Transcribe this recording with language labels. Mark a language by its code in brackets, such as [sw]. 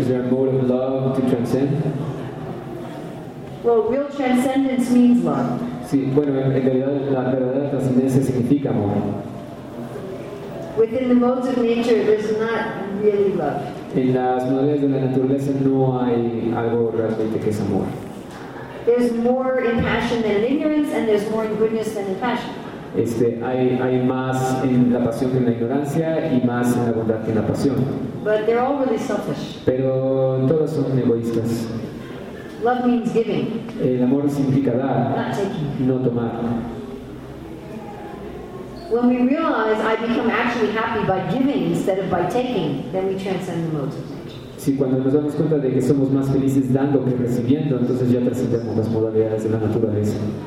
[en] Is there a mode of love to transcend? Well, real transcendence means love. [es] Sí, bueno, en realidad la verdadera trascendencia significa amor. [en] Within the modes of nature, there's not really love. [es] En las modalidades de la naturaleza no hay algo realmente que es amor. [en] There's more in passion than in ignorance, and there's more in goodness than in passion. [es] Hay más en la pasión que en la ignorancia, y más en la bondad que en la pasión. [en] But they're all really selfish. [es] Pero todos son egoístas. [en] Love means giving. [es] El amor significa dar, [en] not taking. [es] No tomar. [en] When we realize I become actually happy by giving instead of by taking, then we transcend the modes. [es] Sí, cuando nos damos cuenta de que somos más felices dando que recibiendo, entonces ya trascendemos las modalidades de la naturaleza.